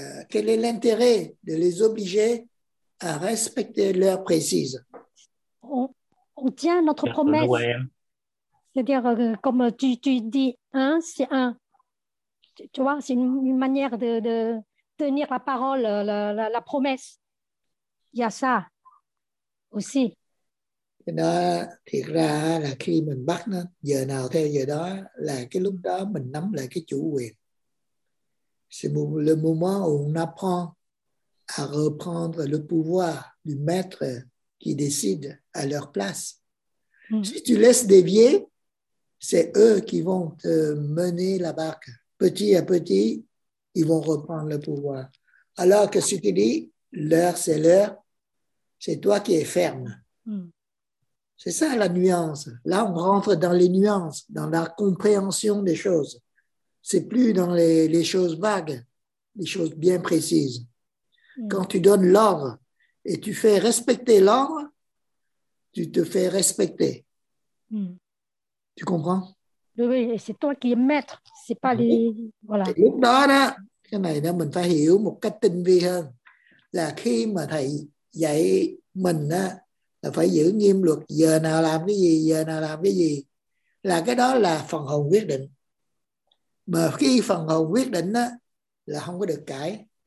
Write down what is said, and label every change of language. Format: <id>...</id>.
<fr>Quel est l'intérêt de les obliger à respecter l'heure précise? On tient notre promesse. C'est-à-dire, comme tu dis, un, c'est un. Tu vois, c'est une manière de tenir la parole, la promesse. y a ça aussi.</fr> <vi>Cái đó thiệt ra là khi mình bắt nó giờ nào theo giờ đó là cái lúc đó mình nắm lại cái chủ quyền.</vi> <fr>C'est le moment où on apprend à reprendre le pouvoir du maître qui décide à leur place. Si tu laisses dévier, c'est eux qui vont te mener la barque. Petit à petit, ils vont reprendre le pouvoir. Alors que si tu dis l'heure, c'est toi qui es ferme. C'est ça la nuance. Là, on rentre dans les nuances, dans la compréhension des choses. C'est plus dans les choses vagues, les choses bien précises. Quand tu donnes l'ordre et tu fais respecter l'ordre, tu te fais respecter. Tu comprends? Oui, et c'est toi qui es maître, c'est pas les... Voilà.</fr> <vi>Et lúc đó, là, cái này là mình phải hiểu một cách tinh vi hơn. Là khi mà thầy dạy mình á, là phải giữ nghiêm luật giờ nào làm cái gì, giờ nào làm cái gì. Là cái đó là phần hồn quyết định. Mà khi phần hồn quyết định á, là không có được cãi.</vi>